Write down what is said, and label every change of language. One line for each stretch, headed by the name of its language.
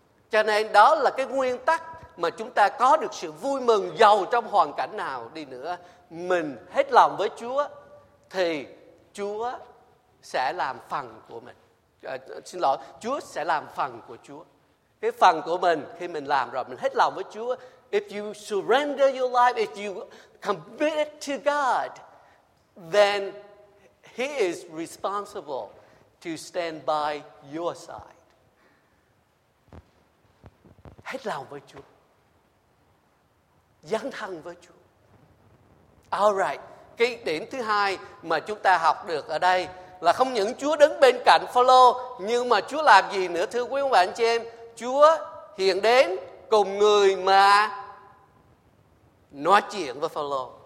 Vietnamese: Cho nên đó là cái nguyên tắc mà chúng ta có được sự vui mừng, giàu trong hoàn cảnh nào đi nữa, mình hết lòng với Chúa thì Chúa sẽ làm phần của mình. Chúa sẽ làm phần của Chúa. Cái phần của mình khi mình làm rồi, mình hết lòng với Chúa.
English: If you surrender your life, if you commit it to God, then He is responsible to stand by your side.
Vietnamese: Hết lòng với Chúa, dấn thân với Chúa. All right. Cái điểm thứ hai mà chúng ta học được ở đây là không những Chúa đứng bên cạnh Phaolô, nhưng mà Chúa làm gì nữa thưa quý ông bà anh chị em? Chúa hiện đến cùng người mà nói chuyện với Phaolô.